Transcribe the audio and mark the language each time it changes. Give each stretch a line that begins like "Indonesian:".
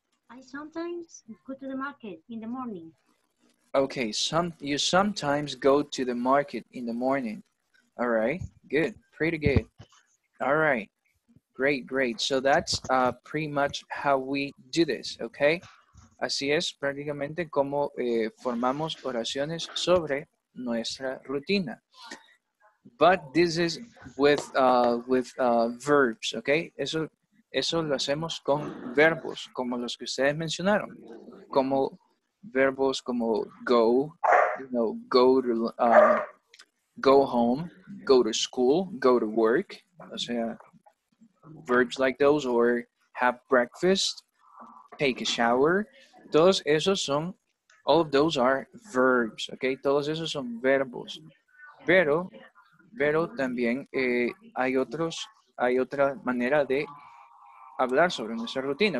English: I sometimes go to the market in the morning. Okay, you sometimes go to the market in the morning. All right, good, pretty good. All right, great. So that's pretty much how we do this, okay?
Spanish: Así es prácticamente como formamos oraciones sobre nuestra rutina.
English: But this is with verbs, okay?
Spanish: Eso lo hacemos con verbos, como los que ustedes mencionaron. Como verbos como
English: go, you know, go to, go home, go to school, go to work.
Spanish: O sea,
English: verbs like those, or have breakfast, take a shower.
Spanish: Todos esos son,
English: all of those are verbs, okay?
Spanish: Todos esos son verbos. Pero también hay otra manera de hablar sobre nuestra rutina.